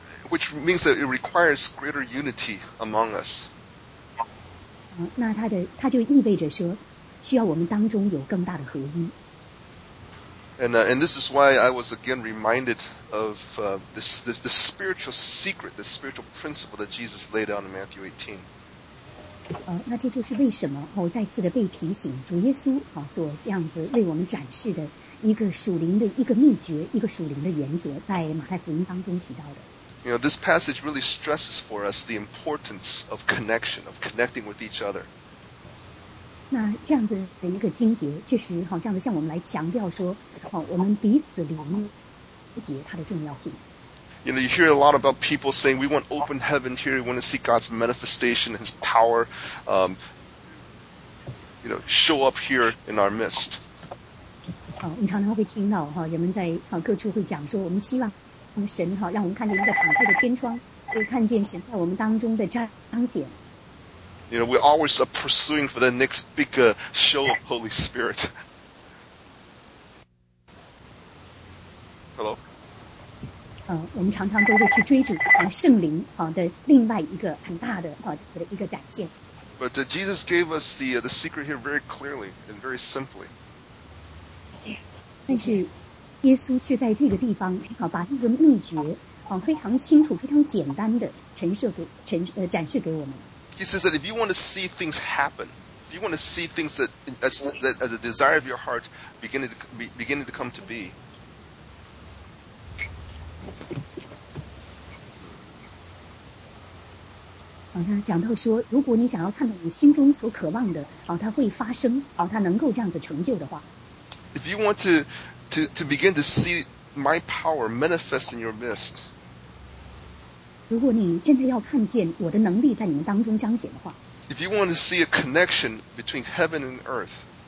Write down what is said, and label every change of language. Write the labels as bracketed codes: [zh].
[en] Which means that it requires greater unity among us. [zh] 那它就意味着说，需要我们当中有更大的合一。 [en] And this is why I was again reminded of the spiritual secret, the spiritual principle that Jesus laid down in Matthew 18. [zh] 那这就是为什么我再次的被提醒主耶稣所这样子为我们展示的一个属灵的一个秘诀，一个属灵的原则，在马太福音当中提到的。 [en] You know, this passage really stresses for us the importance of connection, of connecting with each other. [zh] 那这样子的一个经节确实好这样子向我们来强调说我们彼此连接它的重要性。 [en] You know, you hear a lot about people saying we want open heaven here, we want to see God's manifestation, His power, show up here in our midst. [zh] 我们常常会听到人们在各处会讲说我们希望神让我们看见一个敞开的天窗，可以看见神在我们当中的彰显。 [en] You know, we're always pursuing for the next big show of Holy Spirit. Hello? [zh] 我们常常都会去追逐圣灵的另外一个很大的一个展现。 [en] But Jesus gave us the secret here very clearly and very simply. [zh] 但是耶稣却在这个地方把这个秘诀非常清楚非常简单的展示给我们。 [en] He says that if you want to see things happen, if you want to see things that as a desire of your heart beginning to come to be. [zh] He 讲到说，如果你想要看到你心中所渴望的，它会发生，它能够这样子成就的话。 [en] If you want to begin to see my power manifest in your midst. [zh] 如果你真的要看见我的能力在你们当中彰显的话 [en] If you want to see a connection between heaven and earth,